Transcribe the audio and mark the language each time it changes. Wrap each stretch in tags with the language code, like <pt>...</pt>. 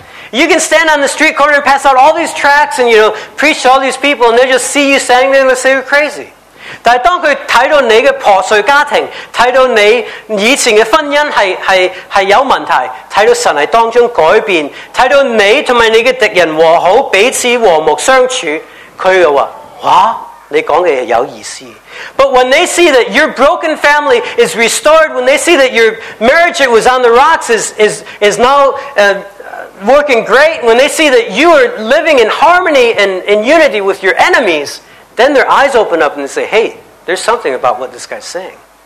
<en>You can stand on the street corner and pass out all these tracts and, you know, preach to all these people and they just see you standing there and they say you're crazy.</en> <zh>但当他看到你的破碎家庭，看到你以前的婚姻是有问题，看到神在当中改变，看到你和你的敌人和好，彼此和睦相处，他就说，哇，你讲的是有意思。</zh> <en>But when they see that your broken family is restored, when they see that your marriage that was on the rocks is now working great, when they see that you are living in harmony and in unity with your enemies, then their eyes open up and they say, hey, there's something about what this guy's saying.</en>